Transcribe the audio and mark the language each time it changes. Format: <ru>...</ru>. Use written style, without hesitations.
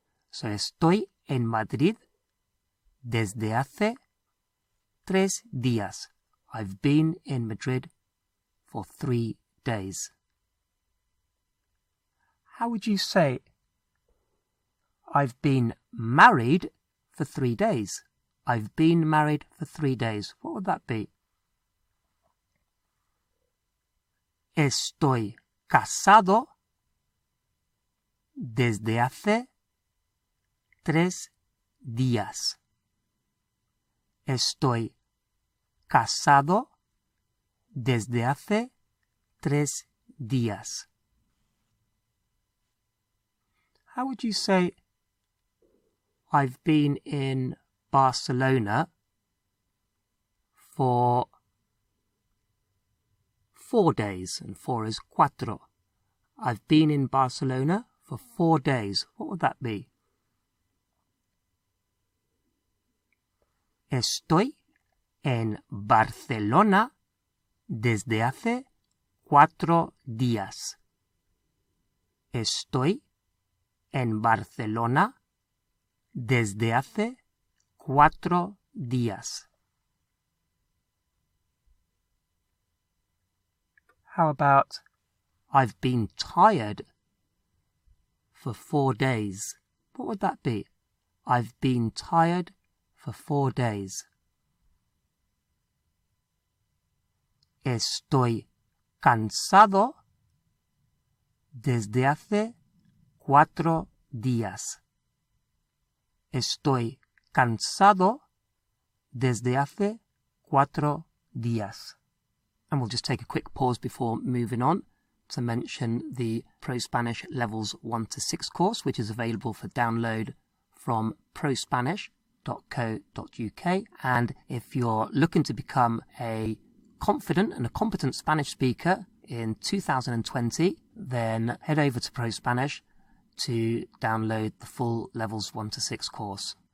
<en>So</en> <es>estoy en Madrid desde hace 3 días.</es> <en>I've been in Madrid for 3 days. How would you say, I've been married for 3 days? I've been married for 3 days. What would that be?</en> <es>Estoy casado desde hace 3 días. Estoy casado desde hace 3 días.</es> <en>How would you say, I've been in Barcelona for 4 days, and four is cuatro. I've been in Barcelona for 4 days. What would that be?</en> <es>Estoy en Barcelona desde hace 4 días. Estoy en Barcelona desde hace 4 días.</es> <en>How about, I've been tired for 4 days. What would that be? I've been tired for 4 days.</en> <es>Estoy cansado desde hace 4 días. Estoy cansado desde hace 4 días.</es> <en>And we'll just take a quick pause before moving on to mention the Pro Spanish Levels 1 to 6 course, which is available for download from prospanish.co.uk. And if you're looking to become a confident and a competent Spanish speaker in 2020, then head over to Pro Spanish to download the full Levels 1 to 6 course.</en>